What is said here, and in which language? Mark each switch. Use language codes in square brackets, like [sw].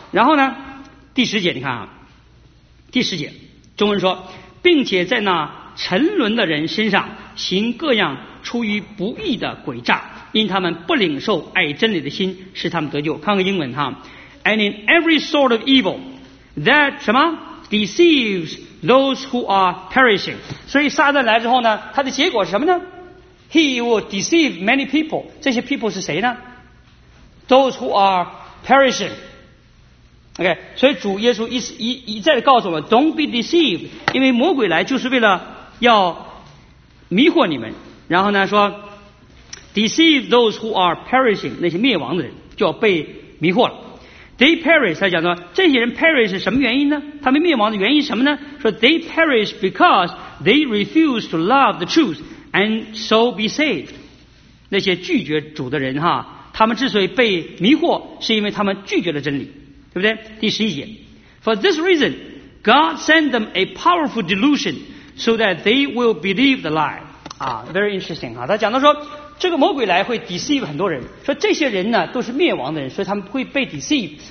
[zh] 然后呢第十节，你看啊，第十节中文说并且在那沉沦的人身上行各样出于不义的诡诈，因他们不领受爱真理的心使他们得救。 [en] 看个英文哈， And in every sort of evil that 什么 deceives those who are perishing。 [zh] 所以撒旦来之后呢，他的结果是什么呢？ [en] He will deceive many people，这些 people 是谁呢？ [zh] Those who are perishing。 OK， 所以主耶稣一再的告诉我们 Don't be deceived，因为魔鬼来就是为了要迷惑你们。然后呢说 Deceive those who are perishing，那些灭亡的人就要被迷惑了。 They perish，他讲说这些人 perish 是什么原因呢？他们灭亡的原因什么呢？ [en] 说 They perish because they refuse to love the truth and so be saved。 [zh] 那些拒绝主的人哈，他们之所以被迷惑是因为他们拒绝了真理，对不对？ [en] 第十一节 For this reason God sent them a powerful delusion so that they will believe the lie。 very interesting 他讲到说 [zh] 这个魔鬼来会 deceive 很多人，说这些人呢都是灭亡的人，所以他们会被 deceive。